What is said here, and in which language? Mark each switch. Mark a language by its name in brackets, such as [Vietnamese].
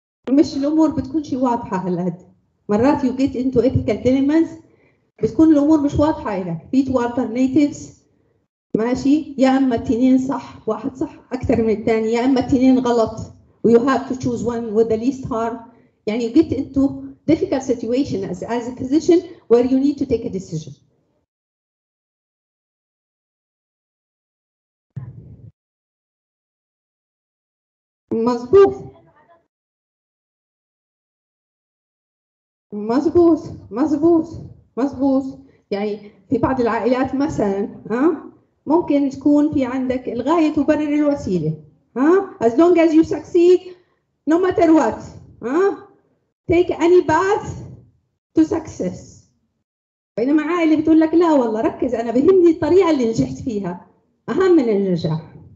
[Arabic] مش الامور بتكون شيء واضحه هالقد. مرات [English] you get into ethical dilemmas [Arabic] بتكون الامور مش واضحه لك. في [English] two alternatives [Arabic] ماشي، يا اما التنين صح، واحد صح اكثر من الثاني، يا اما التنين غلط. [English] You have to choose one with the least harm. يعني you get into difficult situation as a physician where you need to take a decision. [Arabic] مظبوط، مظبوط، مظبوط، مظبوط. يعني في بعض العائلات مثلا ممكن تكون في عندك الغاية تبرر الوسيلة. [English] As long as you succeed no matter what. Take any path to success. [Arabic] بينما عائلة بتقول لك لا والله ركز، انا بهمني الطريقة اللي نجحت فيها اهم من النجاح.